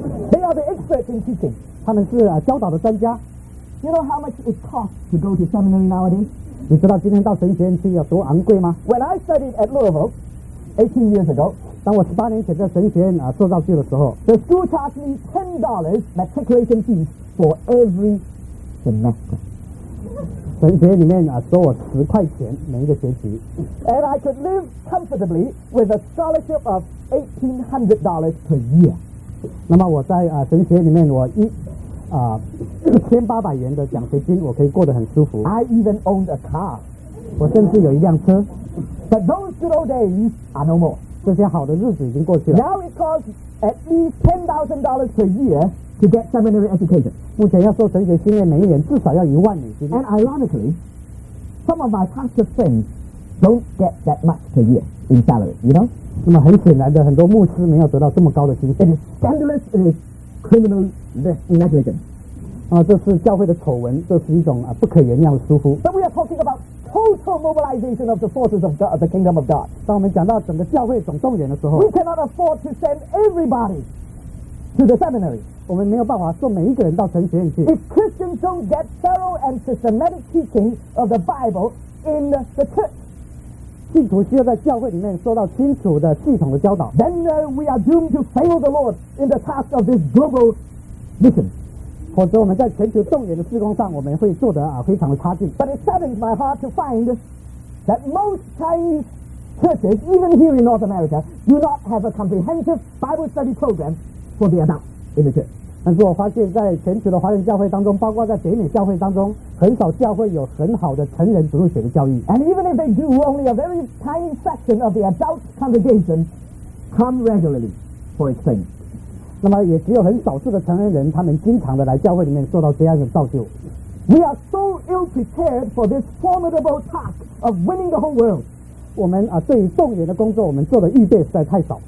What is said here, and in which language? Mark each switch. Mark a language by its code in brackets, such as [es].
[en] They are the experts in teaching. [zh] 他们是教导的专家。 [en] You know how much it costs to go to seminary nowadays? [zh] 你知道今天到神学院去有多昂贵吗？ [en] When I studied at Louisville 18 years ago, [zh] 当我18年前在神学院做造句的时候， [en] the school charged me $10 matriculation fees for every semester. [zh] 神学院里面收我$10每一个学期。 [en] And I could live comfortably with a scholarship of $1,800 per year. [zh] 那么我在神学院里面我一1800元的奖学金，我可以过得很舒服。 [en] I even owned a car. [zh] 我甚至有一辆车。 [en] But those good old days are no more. [zh] 这些好的日子已经过去了。 [en] Now it costs at least $10,000 per year to get seminary education. [zh] 目前要受神学训练，每一年至少要$10,000。 [en] And ironically, some of my pastor friends don't get that much per year in salary. You know? [zh] 那么很显然的，很多牧师没有得到这么高的薪水。 [en] It is scandalous. It is criminal. Negligence. [zh] 这是教会的丑闻，这是一种不可原谅的疏忽。 [en] But we are talking about total mobilization of the forces of God, the kingdom of God. [zh] 当我们讲到整个教会总动员的时候， [en] we cannot afford to send everybody to the seminary. [zh] 我们没有办法送每一个人到神学院去。 [en] If Christians don't get thorough and systematic teaching of the Bible in the church. [zh] 信徒需要在教会里面受到清楚的系统的教导。 [en] Then we are doomed to fail the Lord in the task of this global mission. [zh] 否则我们在全球动员的施工上，我们会做得非常的差劲。 [en] But it saddens my heart to find that most Chinese churches, even here in North America, do not have a comprehensive Bible study program for the adults in the church. [zh] 但是我发现在全球的华人教会当中，包括在北美教会当中，很少教会有很好的成人主日学的教育。 [en] And even if they do, only a very tiny fraction of the adult congregation come regularly for exchange. [zh] 那么也只有很少数的成人人，他们经常的来教会里面做到这样的造就。 [en] We are so ill prepared for this formidable task of winning the whole world. [zh] 我们对于动员的工作，我们做的预备实在太少。